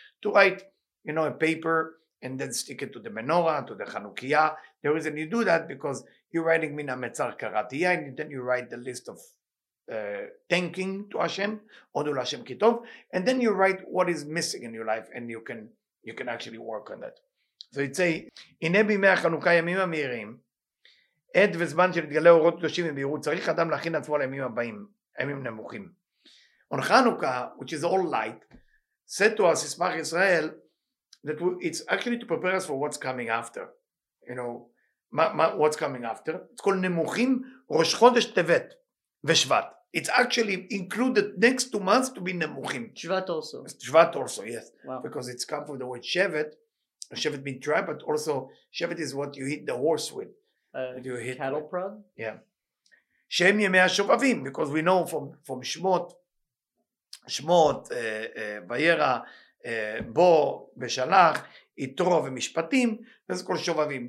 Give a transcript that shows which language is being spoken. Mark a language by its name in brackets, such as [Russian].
[English] To write, a paper and then stick it to the menorah, to the Chanukiah. The reason you do that because you're writing [Hebrew] mina metzar karatiya, [English] and then you write the list of thanking to Hashem, [Hebrew] odu l'Hashem kitov, [English] and then you write what is missing in your life, and you can actually work on that. [Hebrew] So it say, הנה בימי החנוכה ימים המהירים, עד וזמן שנתגלה אורות קדושים ובהירות, צריך אדם להכין עצמו לימים הבאים, הימים נמוכים. [English] On Chanukah, which is all light, said to us, Ismach Israel, that it's actually to prepare us for what's coming after. What's coming after? [Hebrew] It's called נמוכים, ראש חודש טבת ושבט. [English] It's actually included next 2 months to be Nemuchim. Shvat also. Shvat also, yes. Wow. Because it's come from the word Shevet. Shevet means tribe, but also Shevet is what you hit the horse with. You hit cattle with. Prod? Yeah. [Hebrew] Shem Yemei HaShovavim, [English] because we know from Shmot, Vayera, Bo, Beshalach, Itro, Vemishpatim, that's called Shovavim.